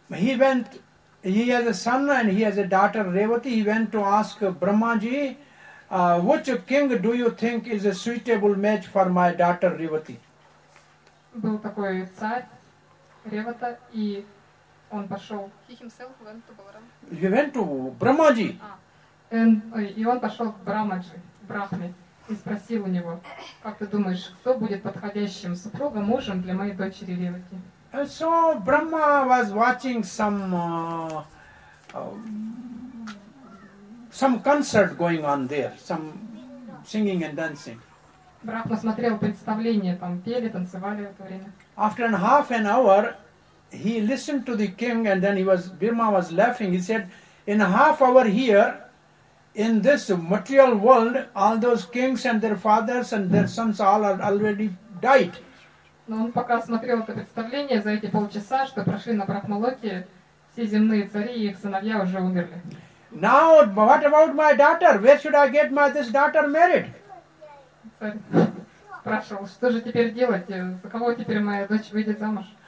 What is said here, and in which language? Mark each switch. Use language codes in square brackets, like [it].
[en] He has a son and he has a daughter, Revati. He went to ask Brahmaji, which king do you think is a suitable match for my daughter, Revati? [ru] Был такой царь, Ревата, и он пошел... [en] He himself went to Balaram. He went to Brahmaji. [ru] И он пошел к Брамаджи, Брахме, и спросил у него, как ты думаешь, кто будет подходящим супругом, мужем для моей дочери Ревати? [en] So Brahma was watching some concert going on there, some singing and dancing. [ru] Брахма смотрел представление, там пели, танцевали в это время. [en] After half an hour, he listened to the king, and then Brahma was laughing. He said, "In half hour here, in this material world, all those kings and their fathers and their sons all are already died." [ru] Но он пока смотрел это представление за эти полчаса, что прошли на Брахмалоке, все земные цари и их сыновья уже умерли. [en] Now, what about my daughter? Where should I get this daughter married? [ru] Царь спрашивал, что же теперь делать? За кого теперь моя дочь выйдет замуж?